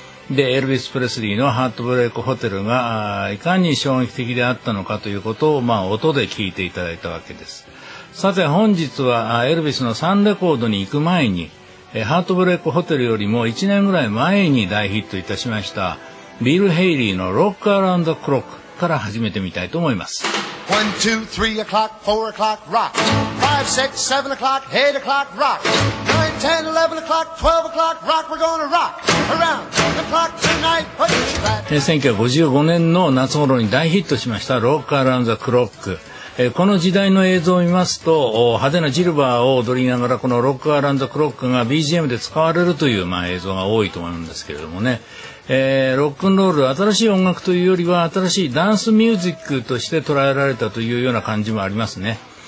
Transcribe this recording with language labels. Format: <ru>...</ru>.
<ja>でエルヴィス・プレスリーのハートブレイクホテルがいかに衝撃的であったのかということを、まあ、音で聞いていただいたわけです。さて本日はエルヴィスの3レコードに行く前にハートブレイクホテルよりも1年ぐらい前に大ヒットいたしましたビル・ヘイリーのロック・アラウンド・クロックから始めてみたいと思います。</ja> <en>1、2、3 o'clock, 4 o'clock, rock 5, 6, 7 o'clock, 8 o'clock, rock 9, 10, 11 o'clock, 12 o'clock, rock We're gonna rock around the clock tonight Put your back</en> <ja>1955年の夏頃に大ヒットしましたロックアラウンドクロック。この時代の映像を見ますと派手なジルバーを踊りながらこのロックアラウンドクロックが BGM で使われるという、まあ、映像が多いと思うんですけれどもね。ロックンロール新しい音楽というよりは新しいダンスミュージックとして捉えられたというような感じもありますね。</ja>